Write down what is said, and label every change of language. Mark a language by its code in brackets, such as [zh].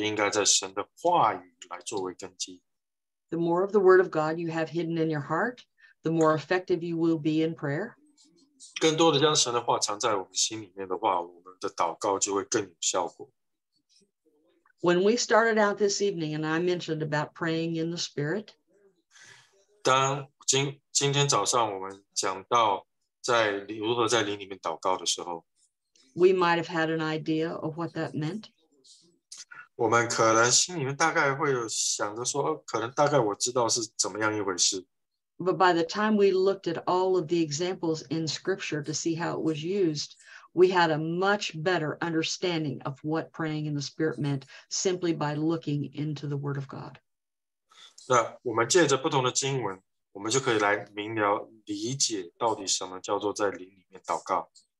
[zh] 但我们不靠着，我们不会去将我们的信仰、信心放在我们的经历来作为根基，是应该在神的话语来作为根基。 [en] The more of the Word of God you have hidden in your heart, the more effective you will be in prayer. [zh] 更多的将神的话藏在我们心里面的话，我们的祷告就会更有效果。 [en] When we started out this evening and I mentioned about praying in the spirit, [zh] 当今天早上我们讲到如何在灵里面祷告的时候, [en] we might have had an idea of what that meant. [zh] 我们可能心里面大概会有想着说，可能大概我知道是怎么样一回事。 [en] But by the time we looked at all of the examples in Scripture to see how it was used, we had a much better understanding of what praying in the Spirit meant simply by looking into the Word of God. [zh] 那我们借着不同的经文，我们就可以来明了理解到底什么叫做在灵里面祷告。